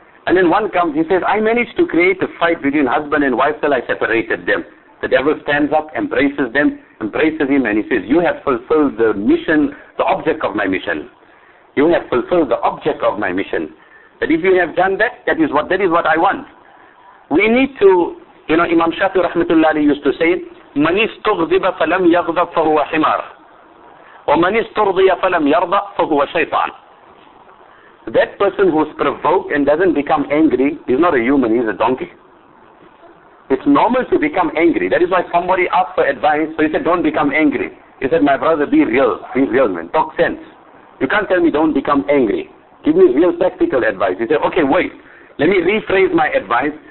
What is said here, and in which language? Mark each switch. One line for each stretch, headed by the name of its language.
English: And then one comes, he says, I managed to create a fight between husband and wife till I separated them. The devil stands up, embraces them, embraces him, and he says, you have fulfilled the mission, the object of my mission. You have fulfilled the object of my mission. That if you have done that, that is what I want. We need to, you know, Imam Shafi rahmatullahi used to say,
Arabic: مَنِ اسْتُغْضِبَ فَلَمْ يَغْضَبْ فَهُوَ حِمَارٌ وَمَنِ اسْتُرْضِيَ فَلَمْ يَرْضَ فَهُوَ شَيْطَانٌ.
English: That person who's provoked and doesn't become angry is not a human, he's a donkey. It's normal to become angry. That is why somebody asked for advice, so he said, don't become angry. He said, my brother, be real, man, talk sense. You can't tell me don't become angry. Give me real practical advice. He said, okay, wait, let me rephrase my advice.